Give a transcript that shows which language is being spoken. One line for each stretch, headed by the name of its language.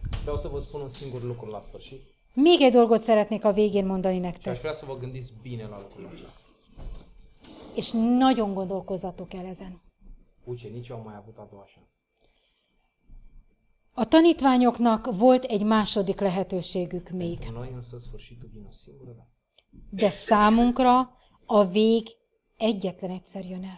Romanian: vreau să vă spun un singur lucru la sfârșit.
Hungarian: Még egy dolgot szeretnék a végén mondani nektek.
Romanian: Și aș vrea să vă gândiți bine la lucrul acesta.
Hungarian: És nagyon gondolkozzatok el ezen.
Romanian: Ucenicii au mai avut a doua șansă.
Hungarian: A tanítványoknak volt egy második lehetőségük még.
Romanian: Pentru noi însă sfârșitul vine o singură dată.
Hungarian: De számunkra a vég egyetlen egyszer jön el.